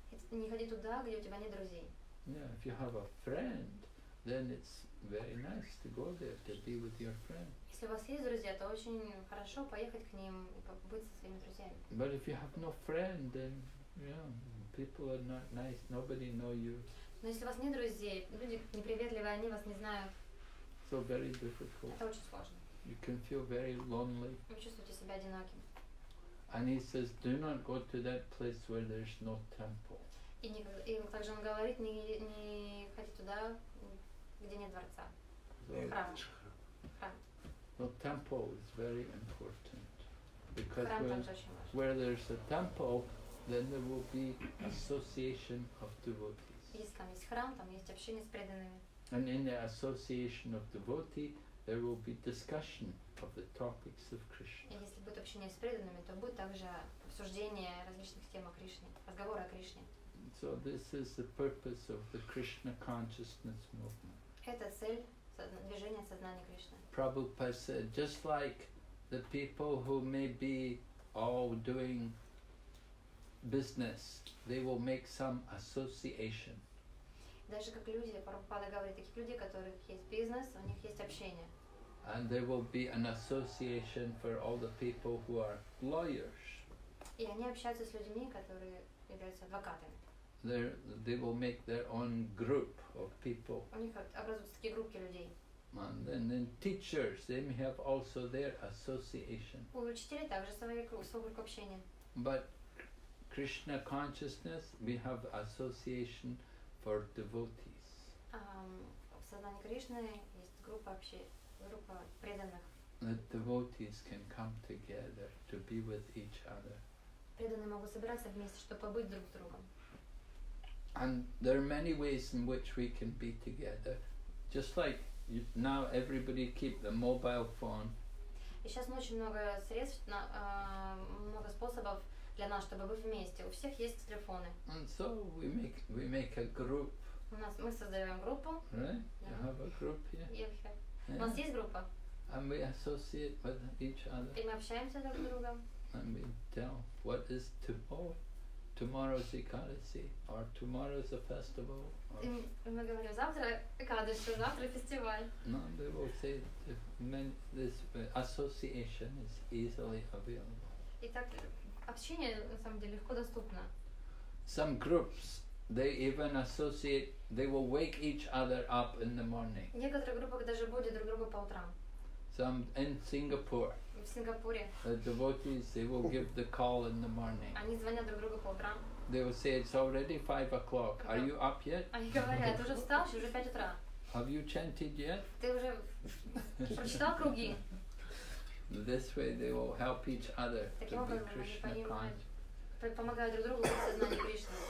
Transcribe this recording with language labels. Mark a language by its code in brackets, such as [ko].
[en] Yeah, if you have a friend, then it's very nice to go there to be with your friend. But if you have no friend, then, you know, people are not nice, nobody know you. [ru] Но если у вас нет друзей, люди неприветливые, они вас не знают. [en] So very difficult. [ru] Это очень сложно. [en] You can feel very lonely. [ru] Вы чувствуете себя одиноким. [en] And he says, do not go to that place where there's no temple. [ru] И также он говорит, не ходи туда, где нет дворца. Храм. [en] Well, temple is very important. Because [ru] храм [en] where there's a temple, then there will be association of devotees. [ru] Если там есть храм, там есть общение с преданными. [en] And in the association of devotee, there will be discussion of the topics of Krishna. [ru] И если будет общение с преданными, то будет также обсуждение различных тем о Кришне, разговоры о Кришне. [en] So this is the purpose of the Krishna consciousness movement. [ru] Это цель движения сознания Кришны. [en] Prabhupada said, just like the people who may be all doing business, they will make some association. [ru] Даже как люди, Прабхупада говорит, таких людей, у которых есть бизнес, у них есть общение. [en] And there will be an association for all the people who are lawyers. [ru] И они общаются с людьми, которые являются адвокатами. [en] They will make their own group of people. [ru] У них образуются такие группы людей. [en] And then teachers, they may have also their association. [ru] У учителей также свой круг общения. [en] But Krishna consciousness, we have association for devotees. [ru] В сознании Кришны есть группа преданных. [en] That devotees can come together to be with each other. [ru] Преданные могут собираться вместе, чтобы побыть друг с другом. [en] And there are many ways in which we can be together. Just like now everybody keep the mobile phone. [ru] И сейчас очень много средств, много способов для нас, чтобы быть вместе. У всех есть телефоны. [en] And so we make a group. [ru] У нас мы создаем группу. [en] Right? Yeah. You have a group here. [ru] Yeah. У нас есть группа. [en] And we associate with each other. [ru] И мы общаемся друг с другом. [en] And we tell what is tomorrow's Ekadasi or tomorrow's a festival. [ru] И мы говорим завтра Экадаши, завтра фестиваль. [en] No, they will say this association is easily available. [ru] Итак, общение на самом деле легко доступно. [en] Some groups They even associate, they will wake each other up in the morning. [ru] Некоторые группы даже будут друг друга по утрам. [en] Some in Singapore. [ru] В Сингапуре. [en] The devotees, they will give the call in the morning. [ru] Они звонят друг другу по утрам. [en] They will say, it's already 5 o'clock. Are you up yet? [ru] Они говорят, ты уже встал, уже 5 утра. [en] Have you chanted yet? [ru] Ты уже прочитал круги? [en] This way they will help each other to be Krishna conscious.